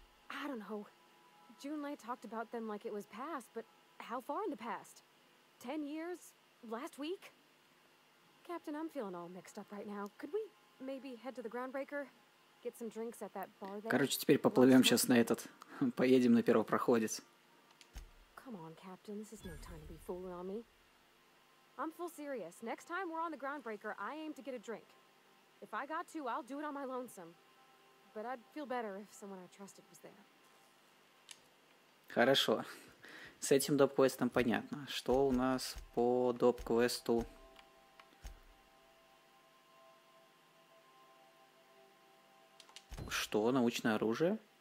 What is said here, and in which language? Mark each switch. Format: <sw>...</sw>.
<en>I don't know. June Lei talked about them like it was past, but how far in the past? 10 years? Last week? Captain, I'm feeling all mixed up right now. Could we maybe head to the Groundbreaker? Get some drinks at that bar there?</en> <ru>Короче, теперь поплывем сейчас на этот. Поедем на первопроходец.</ru> <en>Come on, Captain. This is no time to be fooling on me. I'm full serious. Next time we're on the Groundbreaker, I aim to get a drink. If I got to, I'll do it on my lonesome. But I'd feel better if someone I trusted was there.</en> <ru>Хорошо. С этим доп-квестом понятно. Что у нас по доп-квесту? Что? Научное оружие?</ru>